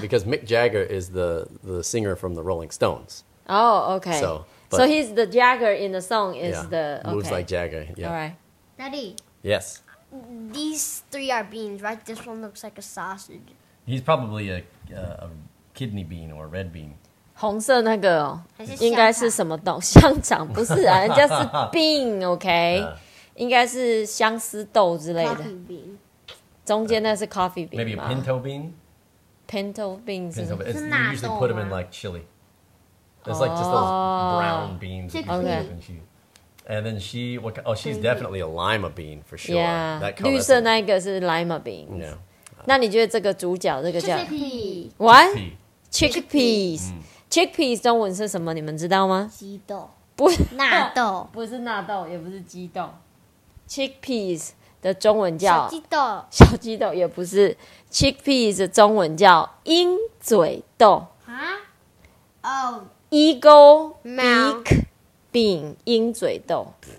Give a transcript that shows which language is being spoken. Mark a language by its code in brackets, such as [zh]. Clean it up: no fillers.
[en] great because Mick Jagger is the singer from the Rolling Stones. Oh, okay. So he's the Jagger in the song is、yeah. the... Okay. Moves like Jagger, yeah. All right. Daddy. Yes. These three are beans, right? This one looks like a sausage. He's probably a kidney bean or a red bean. [zh] 红色那个应该是什么东西？香肠不是啊，人家是 bean, okay?、Yeah. 应该是相思豆之类的。 [en] Coffee bean. [zh] 中间那是 coffee bean [en] Maybe a pinto bean? Pinto beans. You usually put them in like chili. It's like just those brown beans. Okay. And then she, she's definitely a lima bean for sure. Yeah. That color. [zh] 绿色那个是 lima beans. [en] Yeah. [zh] 那你觉得这个主角这个叫 [en] Chickpea. What? Chickpeas. [zh] Chickpeas 中文是什么你们知道吗鸡豆。不是纳豆。不是纳豆也不是鸡豆。Chickpeas. 的中文叫小鸡豆，小鸡豆也不是 chickpeas 的中文叫鹰嘴豆啊，哦 [en] eagle beak bean [zh] 鹰嘴豆。